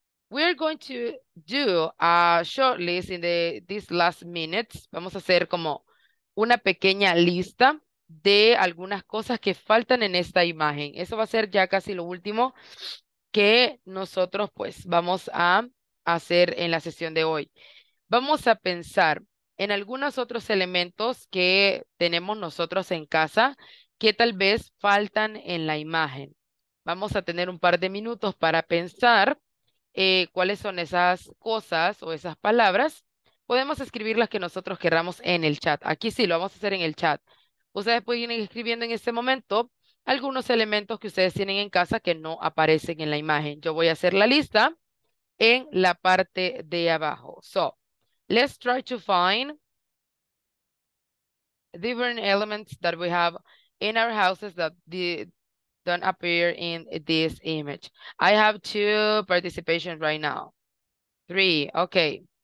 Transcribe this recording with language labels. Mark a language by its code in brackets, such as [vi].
[en] We're going to do a short list in these last minutes. [es] Vamos a hacer como una pequeña lista de algunas cosas que faltan en esta imagen. Eso va a ser ya casi lo último que nosotros pues vamos a hacer en la sesión de hoy. Vamos a pensar en algunos otros elementos que tenemos nosotros en casa que tal vez faltan en la imagen. Vamos a tener un par de minutos para pensar cuáles son esas cosas o esas palabras. Podemos escribir las que nosotros queramos en el chat. Aquí sí, lo vamos a hacer en el chat. Ustedes pueden ir escribiendo en este momento algunos elementos que ustedes tienen en casa que no aparecen en la imagen. Yo voy a hacer la lista en la parte de abajo. [en] So, let's try to find different elements that we have in our houses that don't appear in this image. I have two participations right now. Three, okay.